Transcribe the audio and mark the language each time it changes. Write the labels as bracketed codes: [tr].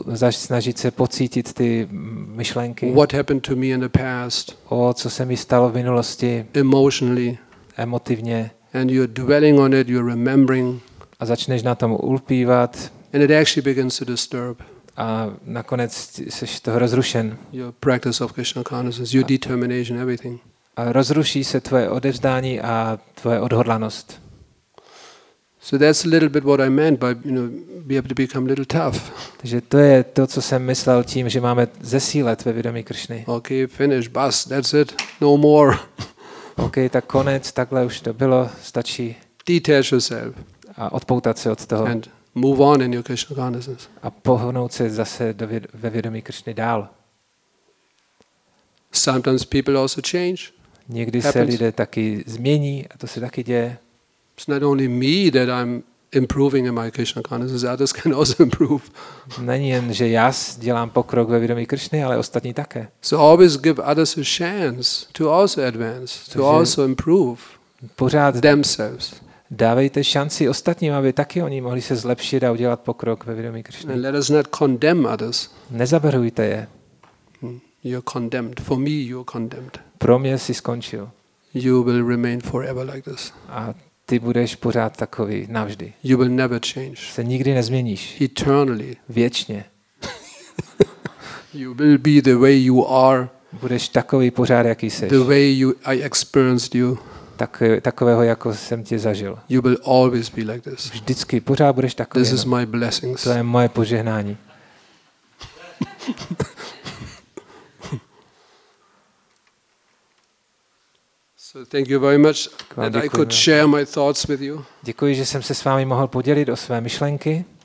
[cs] Snažit se pocítit ty myšlenky. [en] What happened to me in the past? [cs] O co se mi stalo v minulosti? [en] Emotionally. [cs] Emotivně. [en] And you're dwelling on it, you're remembering. [cs] A začneš na tom ulpívat. [en] And it actually begins to disturb. [cs] A nakonec seš toho rozrušen. [en] Your practice of Krishna consciousness, your determination, everything. [cs] A rozruší se tvoje odevzdání a tvoje odhodlanost. [en] So that's a little bit what I meant by, you know, be able to become a little tough. [cs] Takže to je to, co jsem myslel tím, že máme zesílet ve vědomí Krišny. [en] Okay, finish, bas, that's it, no more. [cs] Okay, tak konec, takhle už to bylo, stačí. [en] Detach yourself. [cs] A odpoutat se od toho. [en] And move on in your Krishna consciousness. [cs] A pohnout se zase do ve vědomí Krišny dál. [en] Sometimes people also change. [cs] Někdy se lidé taky změní, a to se taky děje. [en] It's not only me that I'm improving in my Krishna consciousness, others can also improve. [cs] Není jen, že já dělám pokrok ve vědomí Krišny, ale ostatní také. [en] So always give others a chance to also advance, to also improve [cs] pořád [en] themselves. [cs] Dávejte šanci ostatním, aby taky oni mohli se zlepšit a udělat pokrok ve vědomí Krišny. [en] Let us not condemn others. [cs] Nezaberujte je. [en] You're condemned. For me, you're condemned. [cs] Pro mě jsi skončil. [en] You will remain forever like this. [cs] A ty budeš pořád takový navždy. [en] You will never change. [cs] Se nikdy nezměníš. [en] Eternally. [cs] Věčně. [en] You will be the way you are. [cs] Budeš takový pořád, jaký jsi. [en] The way I experienced you. [cs] Takového, jako jsem tě zažil. [en] You will always be like this. [cs] Vždycky, pořád budeš takový. [en] This is my blessings. [cs] To je moje požehnání. [en] So thank you very much that I could share my thoughts with you. [cs] Děkuji, že jsem se s vámi mohl podělit o své myšlenky.